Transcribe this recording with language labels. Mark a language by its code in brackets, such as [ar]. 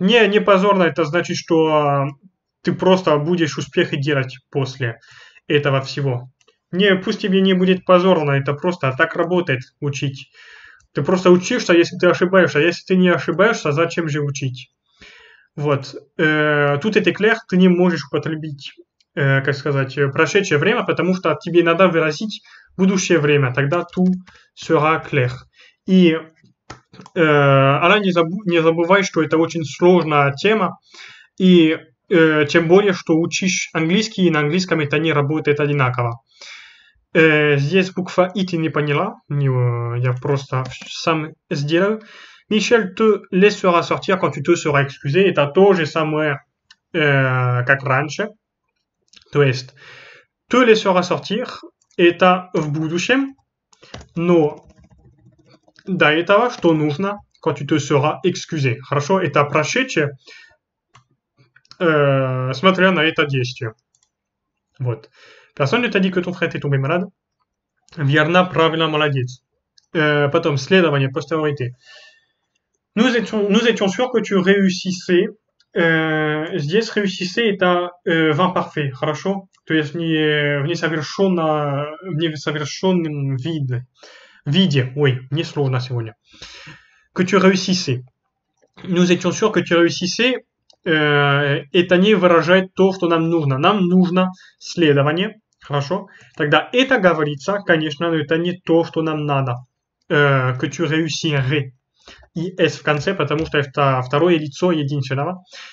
[ru] Не позорно, это значит, что ты просто будешь успехи делать после этого всего. Не, пусть тебе не будет позорно, это просто так работает учить. Ты просто учишься, если ты ошибаешься. Если ты не ошибаешься, зачем же учить? Вот. Тут это clair, ты не можешь употребить, как сказать, прошедшее время, потому что тебе надо выразить будущее время. [fr] Тогда tout sera clair. [ru] И она не забывай, что это очень сложная тема. И тем более, что учишь английский, и на английском это не работает одинаково. Здесь буква «и» ты не поняла. Я просто сам сделаю. [fr] Michel te laissera sortir quand tu te seras excusé. [ru] Это то же самое, как раньше. То есть, [fr] te laissera sortir, [ru] это в будущем. Но до этого, что нужно, [fr] quand tu te seras excusé. [ru] Хорошо, это прошедшее, смотря на это действие. Вот. [fr] Personne ne t'a dit que ton frère était tombé malade. [ru] Верно, правильно, молодец. Потом, следование, postériorité. [fr] Nous étions sûrs que tu réussissais. Здесь réussissais est à 20 parfait. [ru] Хорошо. То есть, в несовершенном виде. Oui, не сложно сегодня. [fr] Que tu réussissais. Nous étions sûrs que tu réussissais. [ru] Это не выражает то, что нам нужно. Нам нужно следование. Хорошо. Тогда это говорится, конечно, но это не то, что нам надо. [fr] Que tu réussirais. [ru] И S в конце, потому что это второе лицо единственного.